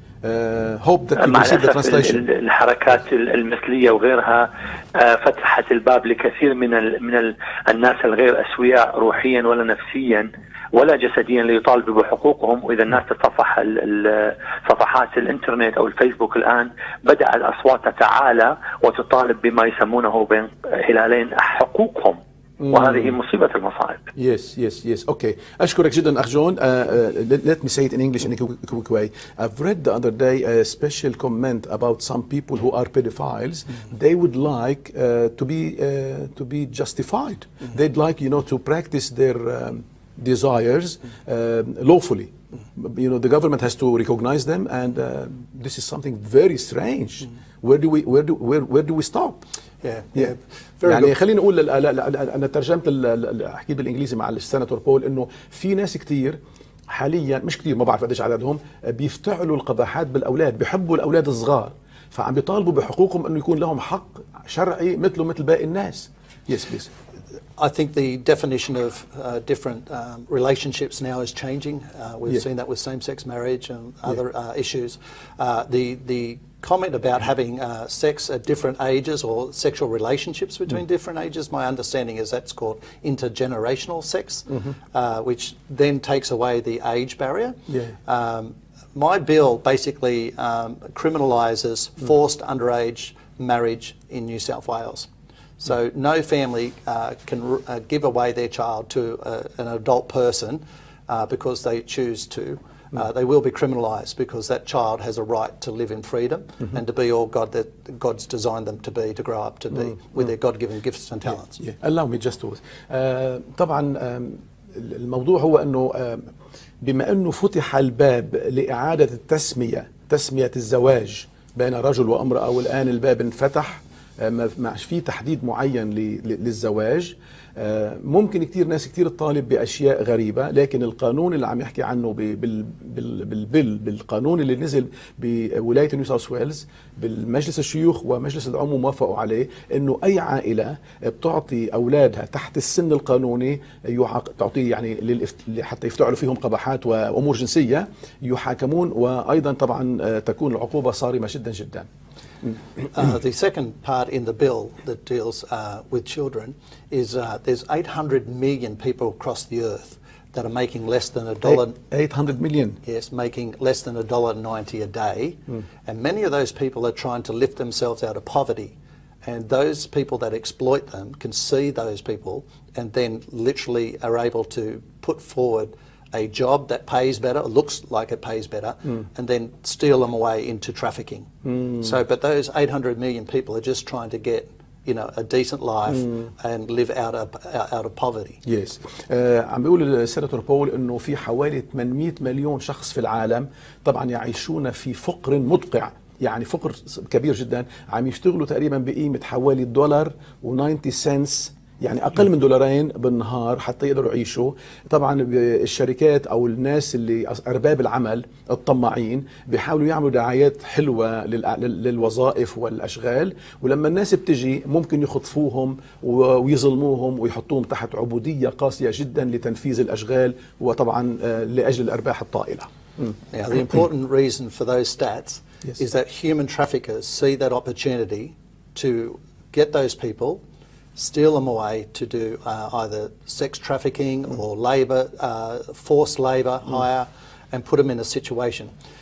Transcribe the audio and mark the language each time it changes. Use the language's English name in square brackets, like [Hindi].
[Arabic] الحركات المثلية وغيرها فتحت الباب لكثير من الناس الغير أسوياء روحيا ولا نفسيا ولا جسديا ليطالبوا بحقوقهم. وإذا الناس تتصفح صفحات الإنترنت أو الفيسبوك الآن، بدأ الأصوات تتعالى وتطالب بما يسمونه بين هلالين حقوقهم، وهذه مصيبة المصائب. [English] yes yes yes okay. [Arabic] أشكرك جدا أخ جون. [English] Let me say it in English in a quick way. I've read the other day a special comment about some people who are pedophiles. They would like to be justified. They'd like, you know, to practice their desires lawfully. You know, the government has to recognize them, and this is something very strange. Where do we stop? [Arabic] يعني خليني أقول أنا ترجمت أحكي بالإنجليزي مع السيناتور بول، إنه في ناس كتير حاليا، مش كتير ما بعرف قديش عددهم، بيفتعلوا القباحات بالأولاد، بيحبوا الأولاد الصغار، فعم بيطالبوا بحقوقهم إنه يكون لهم حق شرعي مثله مثل باقي الناس. [English] yes please. I think the definition of different relationships now is changing. We've yeah. seen that with same-sex marriage and other yeah. Issues. The comment about having sex at different ages or sexual relationships between different ages, my understanding is that's called intergenerational sex, which then takes away the age barrier. My bill basically criminalizes forced underage marriage in New South Wales. So no family can give away their child to an adult person because they choose to. They will be criminalised because that child has a right to live in freedom and to be all God that God's designed them to be, to grow up to be with their God-given gifts and talents. Allow me just to. [Arabic] طبعا الموضوع هو أنه بما أنه فتح الباب لإعادة تسمية الزواج بين رجل وامرأة، والآن الباب انفتح ما في تحديد معين للزواج، ممكن كتير ناس كتير تطالب بأشياء غريبة، لكن القانون اللي عم يحكي عنه بالقانون اللي نزل بولاية نيو ساوس ويلز بالمجلس الشيوخ ومجلس العموم وافقوا عليه، أنه أي عائلة بتعطي أولادها تحت السن القانوني تعطيه يعني حتى يفتعلوا فيهم قباحات وأمور جنسية يحاكمون، وأيضا طبعا تكون العقوبة صارمة جدا جدا. [English] The second part in the bill that deals with children is there's 800 million people across the earth that are making less than a dollar. 800 million? Yes, making less than $1.90 a day. And many of those people are trying to lift themselves out of poverty. And those people that exploit them can see those people and then literally are able to put forward a job that pays better, looks like it pays better, and then steal them away into trafficking. So, but those 800 million people are just trying to get you know, a decent life and live out of poverty. Yes. [Arabic] عم بيقول السيناتور بول انه في حوالي 800 مليون شخص في العالم طبعا يعيشون في فقر مدقع. يعني فقر كبير جدا. عم يشتغلوا تقريبا بقيمة حوالي دولار و90 سنس, يعني أقل من دولارين بالنهار حتى يقدروا يعيشوا. طبعا الشركات أو الناس اللي أرباب العمل الطماعين بيحاولوا يعملوا دعايات حلوة للوظائف والأشغال, ولما الناس بتجي ممكن يخطفوهم ويظلموهم ويحطوهم تحت عبودية قاسية جدا لتنفيذ الأشغال وطبعا لأجل الأرباح الطائلة. [English] The important reason for those stats is that human traffickers see that opportunity to get those people, steal them away to do either sex trafficking or labor, forced labor hire, and put them in a situation.